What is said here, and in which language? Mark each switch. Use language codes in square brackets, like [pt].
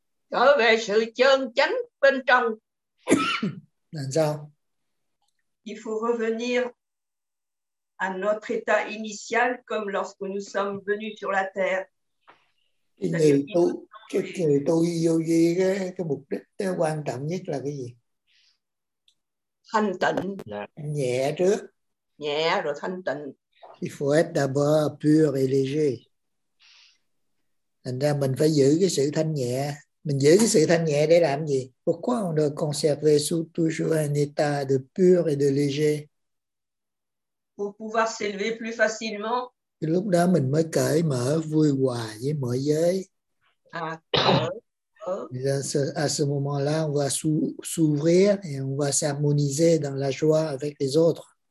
[vi] Trở về sự chân chánh bên trong. Làm sao? [fr] Il faut revenir à notre état initial comme lorsque nous sommes venus sur la terre. [vi] Cái người tu vô gì cái mục đích cái quan trọng nhất là cái gì? Thanh tịnh. Nhẹ trước. Nhẹ rồi thanh tịnh. [fr] Il faut être d'abord pur et léger. [vi] Thành ra mình phải giữ cái sự thanh nhẹ. Mình giữ cái sự thanh nhẹ để làm gì? [fr] Pourquoi on doit conserver toujours un état de pur et de léger? Pour pouvoir s'élever plus facilement. [vi] Cái lúc đó mình mới cởi mở vui hòa với mọi giới. À, [fr] à ce moment-là, on va s'ouvrir et on va s'harmoniser dans la joie avec les autres.